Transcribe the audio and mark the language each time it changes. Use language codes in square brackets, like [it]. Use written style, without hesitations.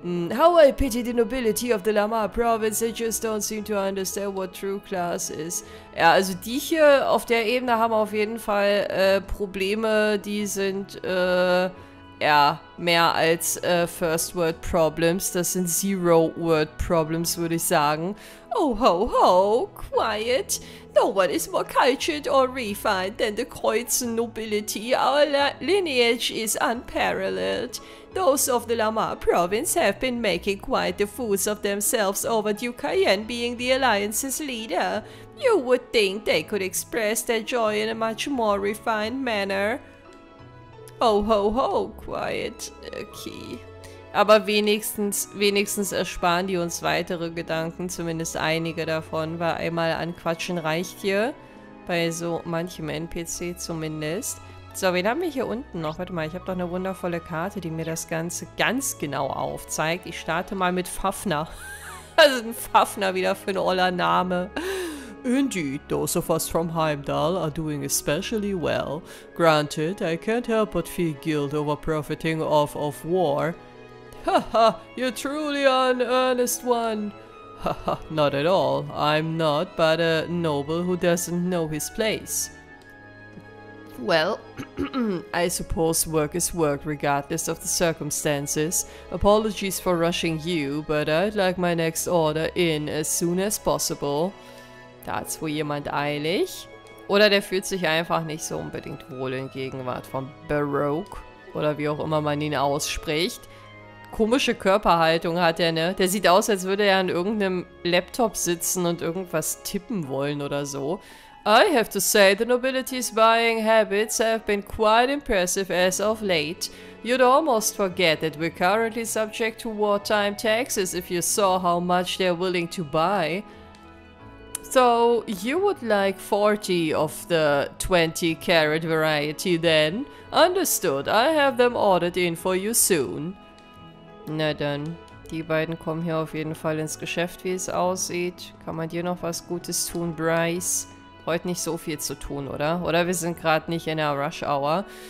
[en] How I pity the nobility of the Lamar Province, they just don't seem to understand what true class is. [de] Ja, also die hier auf der Ebene haben auf jeden Fall Probleme, die sind ja mehr als First World Problems. Das sind Zero World Problems, würde ich sagen. [en] Oh ho ho, quiet. No one is more cultured or refined than the Kreuzen nobility. Our lineage is unparalleled. Those of the Lamar Province have been making quite the fools of themselves over Duke Cayenne being the Alliance's leader. You would think they could express their joy in a much more refined manner. Oh ho ho, quiet. Okay. [de] Aber wenigstens ersparen die uns weitere Gedanken, zumindest einige davon, weil einmal anquatschen reicht hier. Bei so manchem NPC zumindest. So, wen haben wir hier unten noch? Warte mal, ich habe doch eine wundervolle Karte, die mir das Ganze ganz genau aufzeigt. Ich starte mal mit Fafner. Also ein Fafner wieder für ein oller Name. [en] Indeed, those of us from Heimdall are doing especially well. Granted, I can't help but feel guilt over profiting off of war. Haha, you're truly an earnest one. Haha, not at all. I'm not, but a noble who doesn't know his place. Well, I suppose work is work regardless of the circumstances. Apologies for rushing you, but I'd like my next order in as soon as possible. [de] Da hat's wohl jemand eilig. Oder der fühlt sich einfach nicht so unbedingt wohl in Gegenwart von Baroque. Oder wie auch immer man ihn ausspricht. Komische Körperhaltung hat er, ne? Der sieht aus, als würde er an irgendeinem Laptop sitzen und irgendwas tippen wollen oder so. [en] I have to say, the nobility's buying habits have been quite impressive as of late. You'd almost forget that we're currently subject to wartime taxes if you saw how much they're willing to buy. So, you would like 40 of the 20 carat variety then? Understood, I have them ordered in for you soon. [de] Na dann, die beiden kommen hier auf jeden Fall ins Geschäft, wie es aussieht. Kann man dir noch was Gutes tun, Bryce? heute nicht so viel zu tun, oder? Oder wir sind gerade nicht in der Rush Hour.